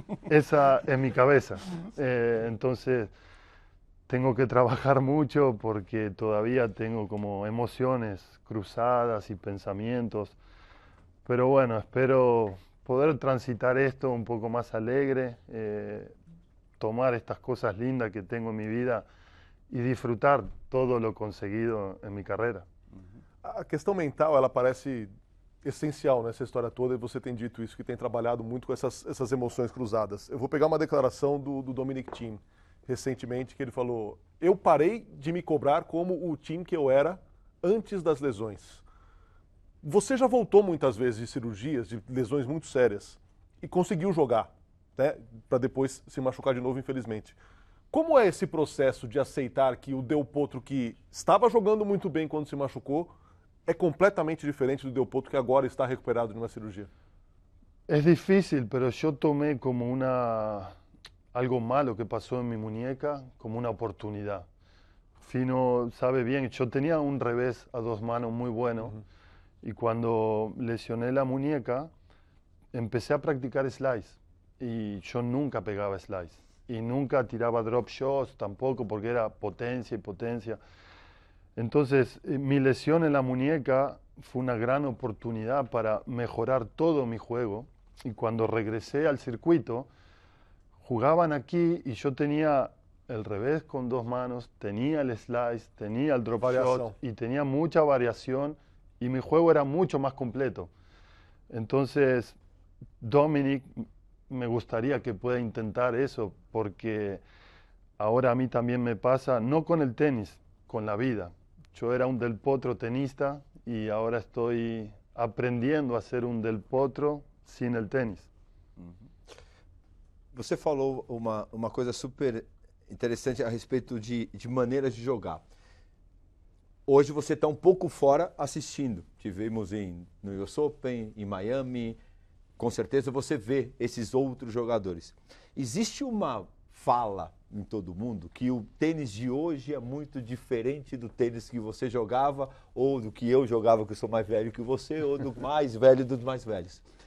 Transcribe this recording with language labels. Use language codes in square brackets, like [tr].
[es] Esa es mi cabeza. Entonces tengo que trabajar mucho porque todavía tengo como emociones cruzadas y pensamientos. Pero bueno, espero poder transitar esto un poco más alegre, tomar estas cosas lindas que tengo en mi vida y disfrutar todo lo conseguido en mi carrera. [pt] A questão mental, ela parece essencial nessa história toda e você tem dito isso, que tem trabalhado muito com essas emoções cruzadas. Eu vou pegar uma declaração do Dominic Thiem, recentemente, que ele falou: eu parei de me cobrar como o Thiem que eu era antes das lesões. Você já voltou muitas vezes de cirurgias, de lesões muito sérias, e conseguiu jogar, né, para depois se machucar de novo, infelizmente. Como é esse processo de aceitar que o Del Potro que estava jogando muito bem quando se machucou é completamente diferente do Del Potro que agora está recuperado de uma cirurgia? É difícil, mas eu tomei como uma algo [es] malo [pt] que passou em minha [es] muñeca [pt] como uma oportunidade. Fino sabe bem, eu tinha um revés a duas mãos muito [es] bueno. Y cuando lesioné la muñeca, empecé a practicar slice. Y yo nunca pegaba slice. Y nunca tiraba drop shots tampoco, porque era potencia y potencia. Entonces, mi lesión en la muñeca fue una gran oportunidad para mejorar todo mi juego. Y cuando regresé al circuito, jugaban aquí y yo tenía el revés con dos manos, tenía el slice, tenía el drop shot y tenía mucha variación. Y mi juego era mucho más completo. Entonces, Dominic, me gustaría que pueda intentar eso, porque ahora a mí también me pasa, no con el tenis, con la vida. Yo era un Del Potro tenista y ahora estoy aprendiendo a ser un Del Potro sin el tenis. [pt] Você falou uma coisa super interessante a respeito de maneiras de jogar. Hoje você está um pouco fora assistindo. [es] Te vemos [pt] no US Open, em Miami. Com certeza você vê esses outros jogadores. Existe uma fala em todo mundo que o tênis de hoje é muito diferente do tênis que você jogava ou do que eu jogava, que eu sou mais velho que você, ou do mais velho dos mais velhos.